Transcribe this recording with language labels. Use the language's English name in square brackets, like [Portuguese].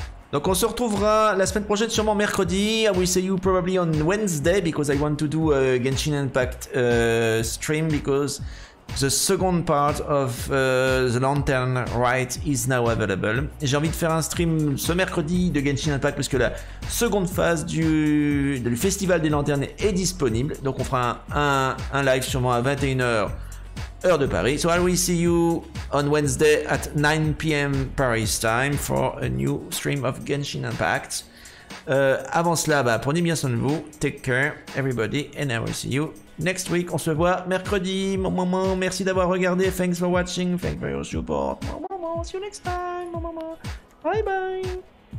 [French] Donc on se retrouvera la semaine prochaine, sûrement mercredi. [English] I will see you probably on Wednesday because I want to do a Genshin Impact stream because the second part of the Lantern Rite is now available. [French] Et j'ai envie de faire un stream ce mercredi de Genshin Impact puisque la seconde phase du Festival des Lanternes est disponible. Donc on fera un live sûrement à 21h. Heure de Paris. [English] So I will see you on Wednesday at 9 PM Paris time for a new stream of Genshin Impact. [French] Avant cela, bah, prenez bien soin de vous. [English] Take care, everybody, and I will see you next week. [French] On se voit mercredi. Merci d'avoir regardé. [English] Thanks for watching. Thanks for your support. See you next time. Bye bye.